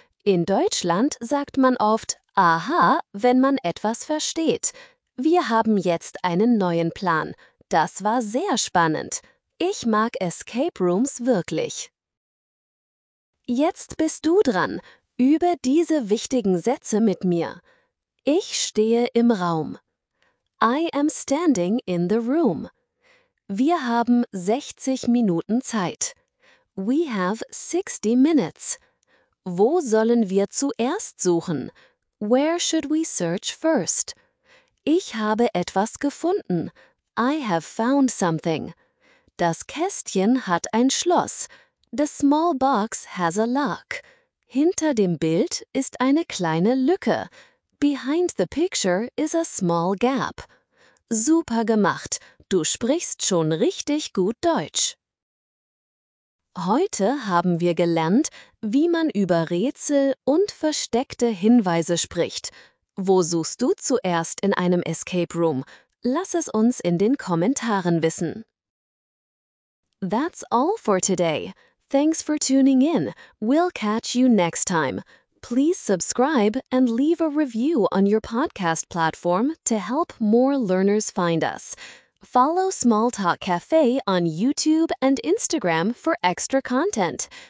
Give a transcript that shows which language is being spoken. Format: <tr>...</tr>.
<de>In Deutschland sagt man oft aha, wenn man etwas versteht. Wir haben jetzt einen neuen Plan. Das war sehr spannend. Ich mag Escape Rooms wirklich. Jetzt bist du dran. Übe diese wichtigen Sätze mit mir. Ich stehe im Raum.</de> <en>I am standing in the room.</en> <de>Wir haben 60 Minuten Zeit.</de> <en>We have 60 minutes.</en> <de>Wo sollen wir zuerst suchen?</de> <en>Where should we search first?</en> <de>Ich habe etwas gefunden.</de> <en>I have found something.</en> <de>Das Kästchen hat ein Schloss.</de> <en>The small box has a lock.</en> <de>Hinter dem Bild ist eine kleine Lücke.</de> <en>Behind the picture is a small gap.</en> <de>Super gemacht. Du sprichst schon richtig gut Deutsch. Heute haben wir gelernt, wie man über Rätsel und versteckte Hinweise spricht. Wo suchst du zuerst in einem Escape Room? Lass es uns in den Kommentaren wissen.</de> <en>That's all for today. Thanks for tuning in. We'll catch you next time. Please subscribe and leave a review on your podcast platform to help more learners find us. Follow Small Talk Cafe on YouTube and Instagram for extra content.</en>